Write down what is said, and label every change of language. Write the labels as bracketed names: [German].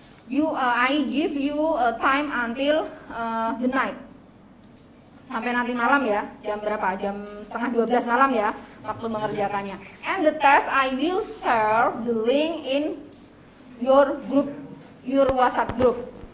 [English] You I give you a time until the night. [Indonesian] Sampai nanti malam ya. Jam berapa? Jam setengah 12 malam ya waktu mengerjakannya. [English] And the test I will share the link in your group, your WhatsApp group.